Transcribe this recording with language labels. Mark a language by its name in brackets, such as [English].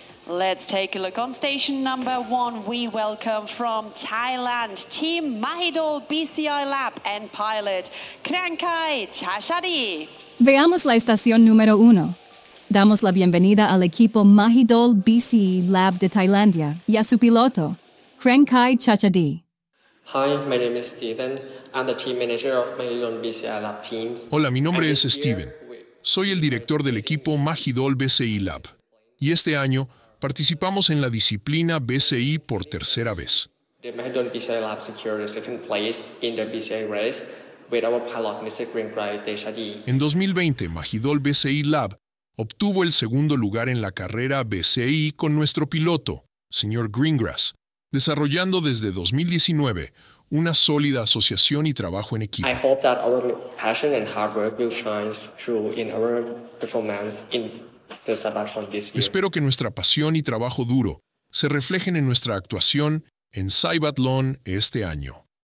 [English] Let's take a look on station number 1. We welcome from Thailand Team Mahidol BCI Lab and pilot Krankai Chachari. [Spanish] Veamos la estación número 1. Damos la bienvenida al equipo Mahidol BCI Lab de Tailandia y a su piloto, Krankai Chachari. [English] Hi, my name is Steven. I'm the team manager of Mahidol BCI Lab teams. [Spanish] Hola, mi nombre es Steven. Soy el director del equipo Mahidol BCI Lab. Y este año participamos en la disciplina BCI por tercera vez. [English] The Mahidol BCI Lab secured a second place in the BCI race with our pilot, Mr. Greenbright Deshadi. [Spanish] En 2020, Mahidol BCI Lab obtuvo el segundo lugar en la carrera BCI con nuestro piloto, señor Greengrass, desarrollando desde 2019 una sólida asociación y trabajo en equipo. [English] I hope that our passion and hard work will shine through in our performance in the Cybathon this year. [Spanish] Espero que nuestra pasión y trabajo duro se reflejen en nuestra actuación en Cybathon este año.